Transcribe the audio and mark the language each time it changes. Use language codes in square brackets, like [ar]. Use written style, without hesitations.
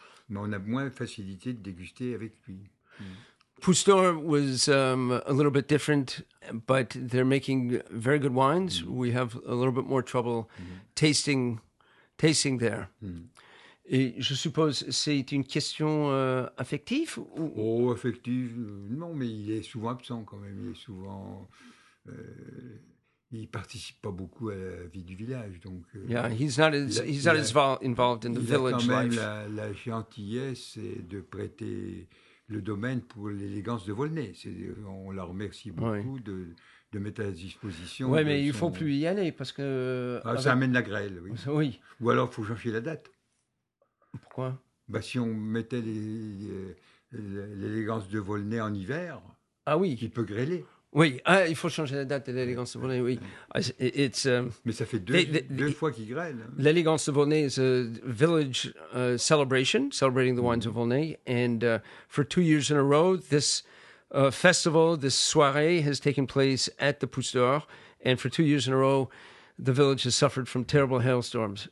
[fr] Mais on a moins facilité de déguster avec lui. [en] Pousteur was a little bit different, but they're making very good wines. Mm-hmm. We have a little bit more trouble tasting there. Mm-hmm. [fr] Et je suppose c'est une question affective ou... Oh, affective, non, mais il est souvent absent quand même. Il est souvent... il participe pas beaucoup à la vie du village, donc... He's not as involved in the village life. Il a quand même la gentillesse de prêter le domaine pour l'élégance de Volney. On la remercie beaucoup de mettre à disposition... Oui, mais il faut plus y aller parce que... Ça amène la grêle, oui. Oui. Ou alors il faut changer la date. Pourquoi? Bah, si on mettait l'élégance de Volney en hiver, il peut grêler. Oui, il faut changer la date de l'élégance de Volney, oui. Mais ça fait deux fois qu'il grêle. [en] L'élégance de Volney is a village celebration, celebrating the wines of Volney. And for 2 years in a row, this festival, this soirée has taken place at the Pousteur. And for 2 years in a row, the village has suffered from terrible hailstorms.